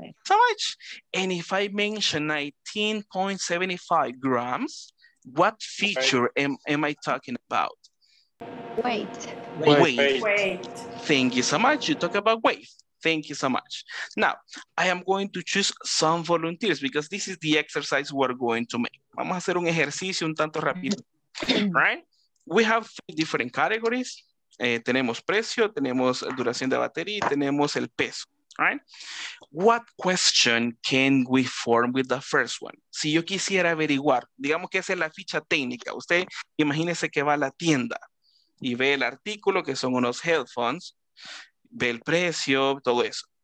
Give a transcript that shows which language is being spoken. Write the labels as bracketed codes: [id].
[en] So much. And if I mention 19.75 grams, what feature am I talking about? Weight. Thank you so much. You talk about weight. Thank you so much. Now, I am going to choose some volunteers because this is the exercise we're going to make. [es] Vamos a hacer un ejercicio un tanto rápido. [en] Right? We have 3 different categories. [es] Tenemos precio, tenemos duración de batería y tenemos el peso. [en] Right? What question can we form with the first one? [es] Si yo quisiera averiguar, digamos que esa es la ficha técnica. Usted imagínese que va a la tienda y ve el artículo que son unos headphones, ve el precio, todo eso.